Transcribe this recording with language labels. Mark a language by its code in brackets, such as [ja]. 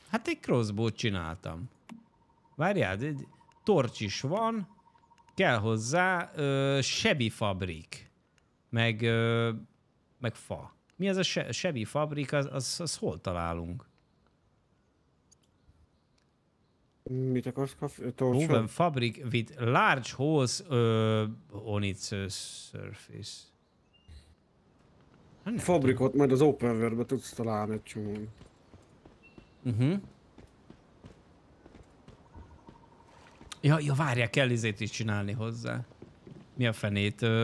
[hu] Hát egy crossbow-t csináltam. Várjál, egy torcs is van, kell hozzá Chevy fabrik, meg fa. Mi az a Chevy fabrik, az hol találunk? Mit akarsz, torcsot? [en] Woven fabrik with large holes on its surface. [hu] Hát fabrikot tudom. Majd az open world-be tudsz találni egy csomó. Uh-huh. Ja, várjál, kell izét is csinálni hozzá. Mi a fenét?